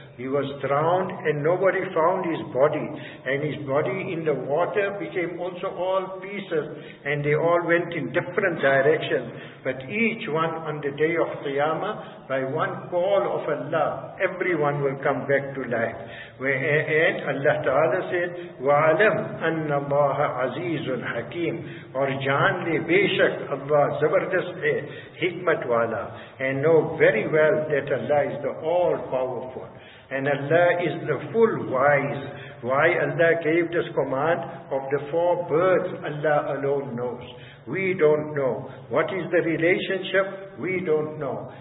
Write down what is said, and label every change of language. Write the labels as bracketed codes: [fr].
[en] He was drowned and nobody found his body, and his body in the water became also all pieces, and they all went in different directions. But each one on the day of Qiyamah, by one call of Allah, everyone will come back to life. And Allah Ta'ala said, [ar] وَعَلَمْ أَنَّ اللَّهَ عَزِيزٌ حَكِيمٌ [ur] اور جان لے بے شک اللہ زبردست ہے حکمت والا. [en] And know very well that Allah is the all-powerful. And Allah is the full wise. Why Allah gave this command of the four birds, Allah alone knows. We don't know. What is the relationship? We don't know.